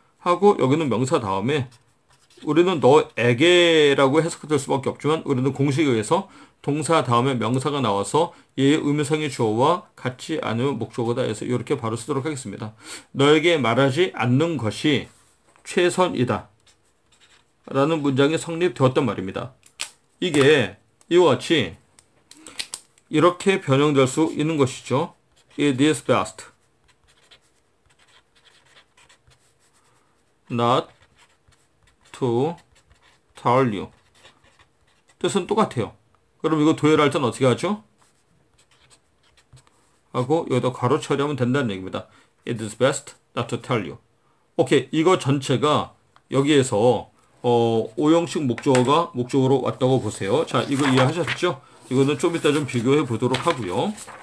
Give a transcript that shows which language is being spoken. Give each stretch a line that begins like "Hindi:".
Korean: 하고, 여기는 명사 다음에, 우리는 너에게라고 해석될 수밖에 없지만, 우리는 공식에 의해서 동사 다음에 명사가 나와서 얘의 의미상의 주어와 같지 않으면 목적어다 해서 이렇게 바로 쓰도록 하겠습니다. 너에게 말하지 않는 것이 최선이다. 라는 문장이 성립되었단 말입니다. 이게 이와 같이 이렇게 변형될 수 있는 것이죠.
English: It is best not to tell you.
Korean: 뜻은 똑같아요. 그럼 이거 도열할 땐 어떻게 하죠? 하고 여기다 괄호 처리하면 된다는 얘기입니다.
English: It is best not to tell you.
Korean: 오케이, 이거 전체가 여기에서 오형식 목적어가 목적으로 왔다고 보세요. 자, 이거 이해하셨죠? 이거는 좀 이따 좀 비교해 보도록 하고요.